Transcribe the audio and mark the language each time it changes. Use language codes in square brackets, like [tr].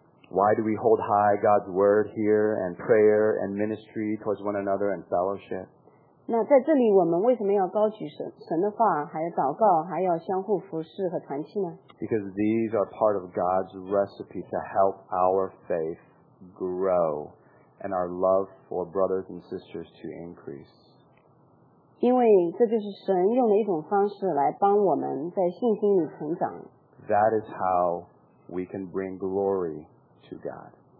[en] Why do we hold high God's word here and prayer and ministry towards one another and fellowship? [zh] 那在这里我们为什么要高举神的话，还有祷告，还有相互服侍和团契呢？ [en] Because these are part of God's recipe to help our faith grow and our love for brothers and sisters to increase. [zh] 因为这就是神用的一种方式来帮我们在信心里成长。 [en] That is how we can bring glory to God.